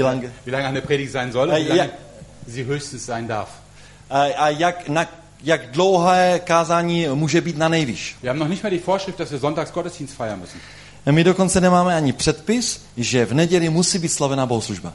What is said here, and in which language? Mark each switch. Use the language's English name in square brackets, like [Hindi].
[German] lange eine Predigt sein soll. Wie lange sie höchstens sein darf. [Czech] A jak na jak dlouhé kázání může být na nejvýš. [German] Wir haben noch nicht mal die Vorschrift, dass wir sonntags Gottesdienst feiern müssen. [Czech] My dokonce nemáme ani předpis, že v neděli musí být slavená bohoslužba.